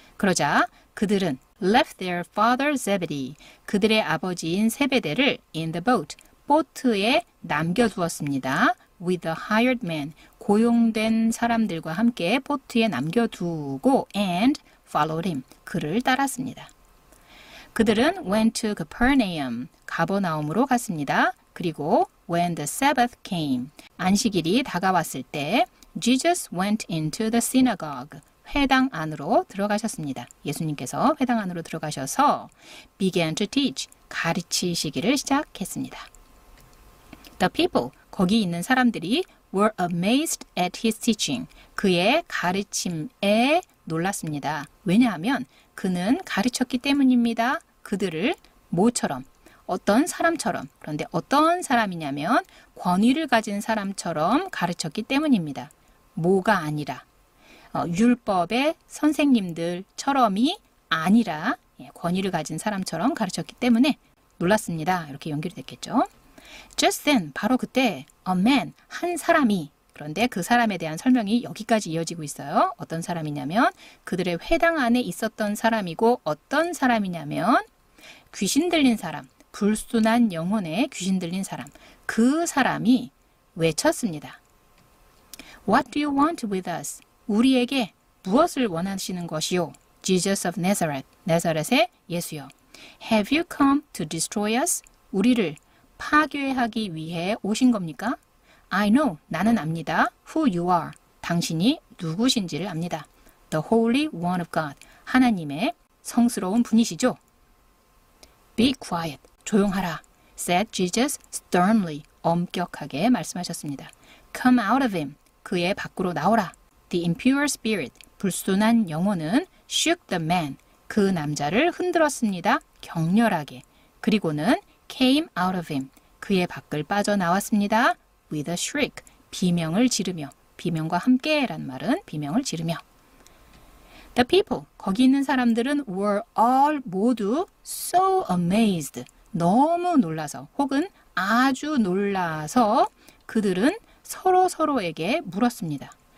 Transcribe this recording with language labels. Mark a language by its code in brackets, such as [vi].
[ko] 그러자 그들은 [en] left their father Zebedee, [ko] 그들의 아버지인 세베대를 [en] in the boat, [ko] 보트에 남겨두었습니다. [en] With the hired man, [ko] 고용된 사람들과 함께 보트에 남겨두고 [en] and followed him, [ko] 그를 따랐습니다. 그들은 [en] went to Capernaum, [ko] 가버나움으로 갔습니다. 그리고 [en] when the Sabbath came, [ko] 안식일이 다가왔을 때 [en] Jesus went into the synagogue, [ko] 회당 안으로 들어가셨습니다. 예수님께서 회당 안으로 들어가셔서 [en] began to teach, [ko] 가르치시기를 시작했습니다. [en] The people, [ko] 거기 있는 사람들이 [en] were amazed at his teaching, [ko] 그의 가르침에 놀랐습니다. 왜냐하면 그는 가르쳤기 때문입니다. 그들을 모처럼. 어떤 사람처럼, 그런데 어떤 사람이냐면 권위를 가진 사람처럼 가르쳤기 때문입니다. 모가 아니라, 율법의 선생님들처럼이 아니라, 예, 권위를 가진 사람처럼 가르쳤기 때문에 놀랐습니다. 이렇게 연결이 됐겠죠. [en] Just then, [ko] 바로 그때, [en] a man, [ko] 한 사람이, 그런데 그 사람에 대한 설명이 여기까지 이어지고 있어요. 어떤 사람이냐면 그들의 회당 안에 있었던 사람이고 어떤 사람이냐면 귀신 들린 사람, 불순한 영혼에 귀신 들린 사람, 그 사람이 외쳤습니다. [en] What do you want with us? [ko] 우리에게 무엇을 원하시는 것이요? [en] Jesus of Nazareth, [ko] 나사렛의 예수여. [en] Have you come to destroy us? [ko] 우리를 파괴하기 위해 오신 겁니까? [en] I know, [ko] 나는 압니다. [en] Who you are, [ko] 당신이 누구신지를 압니다. [en] The Holy One of God, [ko] 하나님의 성스러운 분이시죠? [en] Be quiet. [ko] 조용하라, [en] said Jesus sternly, [ko] 엄격하게 말씀하셨습니다. [en] Come out of him, [ko] 그의 밖으로 나오라. [en] The impure spirit, [ko] 불순한 영혼은 [en] shook the man, [ko] 그 남자를 흔들었습니다. 격렬하게. 그리고는 [en] came out of him, [ko] 그의 밖을 빠져나왔습니다. [en] With a shriek, [ko] 비명을 지르며, 비명과 함께 라는 말은 비명을 지르며. [en] The people, [ko] 거기 있는 사람들은 [en] were all [ko] 모두 [en] so amazed, [ko] 너무 놀라서 혹은 아주 놀라서 그들은 서로서로에게 물었습니다.